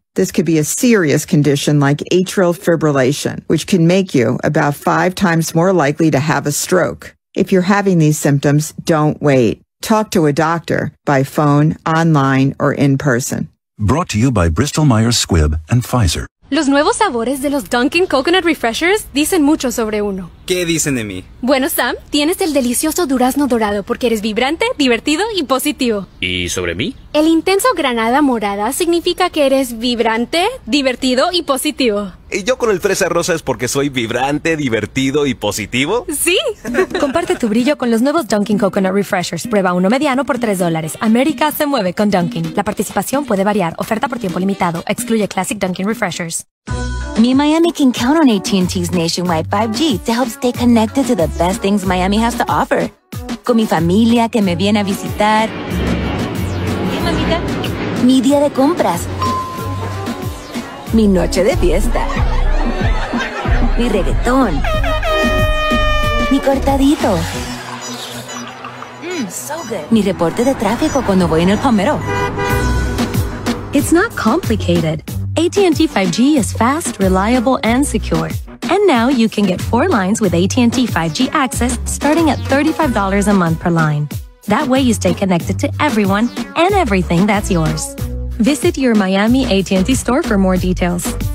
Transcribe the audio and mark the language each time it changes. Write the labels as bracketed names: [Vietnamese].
[English] This could be a serious condition like atrial fibrillation, which can make you about 5 times more likely to have a stroke. If you're having these symptoms, don't wait. Talk to a doctor by phone, online, or in person. Brought to you by Bristol-Myers Squibb and Pfizer. [Spanish] Los nuevos sabores de los Dunkin' Coconut Refreshers dicen mucho sobre uno. ¿Qué dicen de mí? Bueno, Sam, tienes el delicioso durazno dorado porque eres vibrante, divertido y positivo. ¿Y sobre mí? El intenso granada morada significa que eres vibrante, divertido y positivo. ¿Y yo con el fresa rosa es porque soy vibrante, divertido y positivo? ¡Sí! Comparte tu brillo con los nuevos Dunkin' Coconut Refreshers. Prueba uno mediano por $3. América se mueve con Dunkin'. La participación puede variar. Oferta por tiempo limitado. Excluye Classic Dunkin' Refreshers. [English] Me and Miami can count on AT&T's nationwide 5G to help stay connected to the best things Miami has to offer. [Spanish] Con mi familia que me viene a visitar. ¿Qué, mamita? Mi día de compras. Mi noche de fiesta. Mi reggaetón. Mi cortadito. [English] So good. [Spanish] Mi reporte de tráfico cuando voy en el Palmero. [English] It's not complicated. AT&T 5G is fast, reliable, and secure. And now you can get 4 lines with AT&T 5G access starting at $35 a month per line. That way you stay connected to everyone and everything that's yours. Visit your Miami AT&T store for more details.